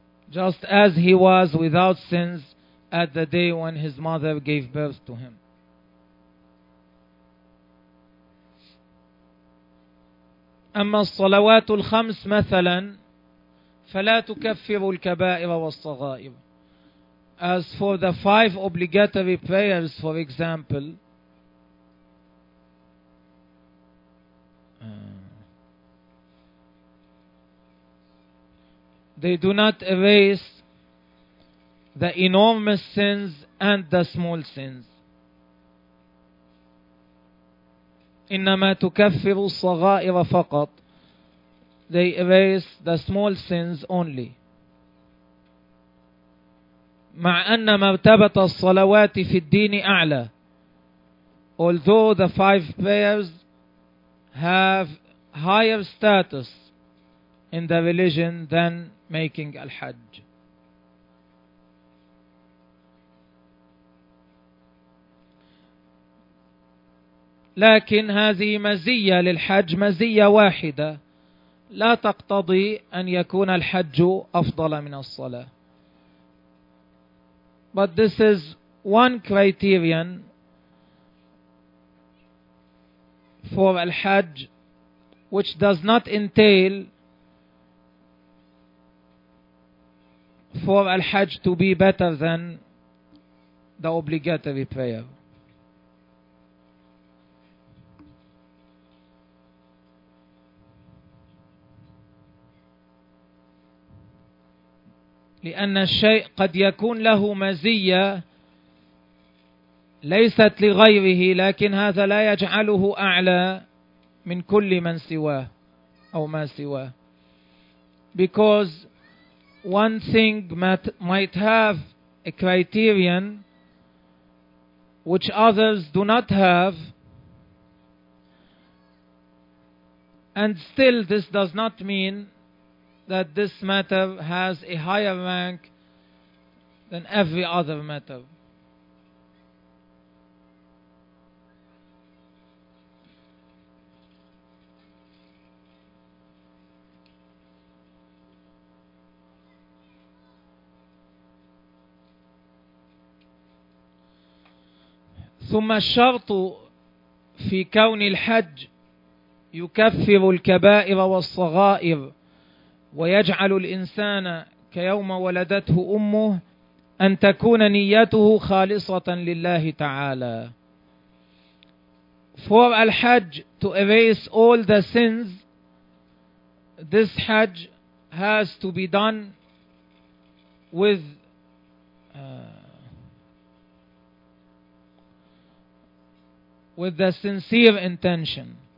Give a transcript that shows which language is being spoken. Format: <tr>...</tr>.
<en>Just as he was without sins at the day when his mother gave birth to him.</en> <ar>أما الصلوات الخمس مثلا فلا تكفر الكبائر والصغائر.</ar> <en>As for the five obligatory prayers, for example, they do not erase the enormous sins and the small sins.</en> <ar>إنما تكفر الصغائر فقط.</ar> <en>They erase the small sins only.</en> <ar>مع أن مرتبة الصلوات في الدين أعلى.</ar> <en>Although the five prayers have higher status in the religion than making al-hajj.</en> <ar>لكن هذه مزية للحج, مزية واحدة لا تقتضي أن يكون الحج أفضل من الصلاة.</ar> <en>But this is one criterion for al-hajj which does not entail for al-hajj to be better than the obligatory prayer.</en> <ar>لأن الشيء قد يكون له مزية ليست لغيره, لكن هذا لا يجعله أعلى من كل من سواه أو ما سواه.</ar> <en>Because one thing might have a criterion which others do not have, and still this does not mean that this matter has a higher rank than every other matter.</en> <ar>ثم الشرط في كون الحج يكفر الكبائر والصغائر ويجعل الإنسان كيوم ولدته أمه أن تكون نيته خالصة لله تعالى.</ar> <en>For al-hajj to erase all the sins, this hajj has to be done with the sincere intention.</en>